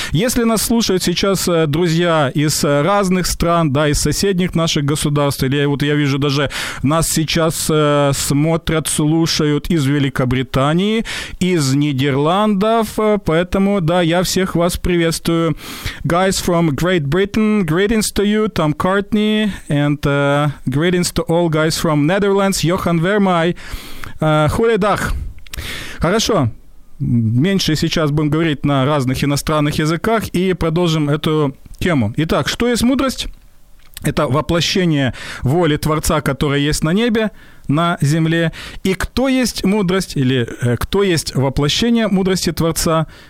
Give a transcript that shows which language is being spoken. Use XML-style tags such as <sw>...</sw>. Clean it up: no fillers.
<ru>Если нас слушают сейчас друзья из разных стран, да, из соседних наших государств, или вот я вижу даже нас сейчас смотрят, слушают из Великобритании, из Нидерландов, поэтому, да, я всех вас приветствую.</ru> <en>Guys from Great Britain, greetings to you, Tom Courtney, and greetings to all guys from Netherlands, Johan Vermeij, Хуледах.</en> <ru>Хорошо. Меньше сейчас будем говорить на разных иностранных языках и продолжим эту тему. Итак, что есть мудрость? Это воплощение воли Творца, которая есть на небе, на земле. И кто есть мудрость, или кто есть воплощение мудрости Творца –</ru>